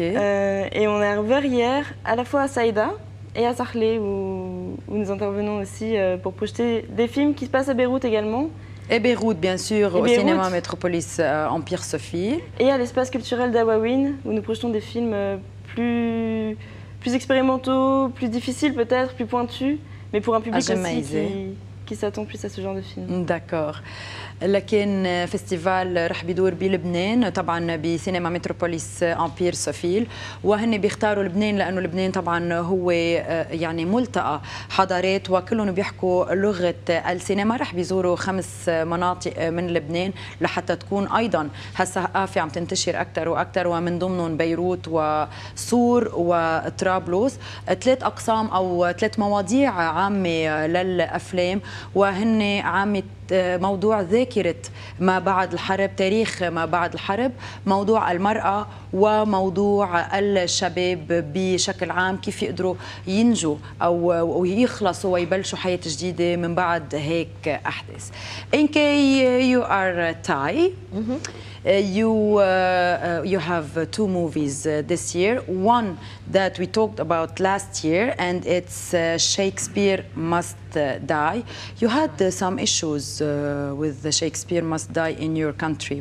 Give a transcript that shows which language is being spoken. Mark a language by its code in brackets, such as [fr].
[fr] Et on est ouvert hier, à la fois à Saïda et à Sarlé, où nous intervenons aussi pour projeter des films qui se passent à Beyrouth également. Et Beyrouth, bien sûr, et au Beyrouth. Cinéma Métropolis Empire Sophie. Et à l'espace culturel d'Awawin, où nous projetons des films plus expérimentaux, plus difficiles peut-être, plus pointus, mais pour un public aussi qui s'attend plus à ce genre de film. D'accord. [ar] لكن فيستيفال رح بيدور بلبنان طبعا بسينما متروبوليس امبير صفيل وهن بيختاروا لبنان لانه لبنان طبعا هو يعني ملتقى حضارات وكلهم بيحكوا لغه السينما رح بيزوروا خمس مناطق من لبنان لحتى تكون ايضا هسه عم تنتشر اكثر واكثر ومن ضمنهم بيروت وصور وطرابلس ثلاث اقسام او ثلاث مواضيع عامه للافلام وهن عامه موضوع ذاكرة ما بعد الحرب تاريخ ما بعد الحرب موضوع المرأة وموضوع الشباب بشكل عام كيف يقدروا ينجوا أو يخلصوا ويبلشوا حياة جديدة من بعد هيك أحداث. [en] In case you are Thai, you have two movies this year. One that we talked about last year, and it's Shakespeare Must Die. You had some issues with the Shakespeare Must Die in your country.